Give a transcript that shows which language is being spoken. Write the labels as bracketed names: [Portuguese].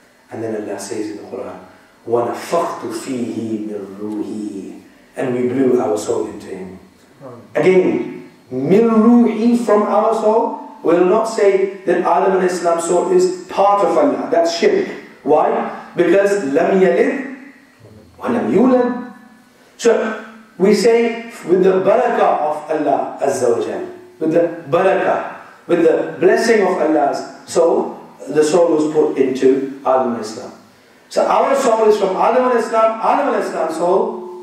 [English] And then Allah says in the Quran, [Arabic] وَنَفَخْتُ فِيهِ مِنْ رُوحِ. [English] And we blew our soul into him. Again, [Arabic] مِنْ رُوحِ, [English] from our soul, will not say that Adam alayhi salam's soul is part of Allah. That's shirk. Why? Because [Arabic] لَمْ يَلِدْ وَلَمْ يُولَدْ. [English] So, we say, with the barakah of Allah Azza wa Jal, with the barakah, with the blessing of Allah's soul, the soul was put into Adam al-Islam. So our soul is from Adam al-Islam, Adam al-Islam's soul.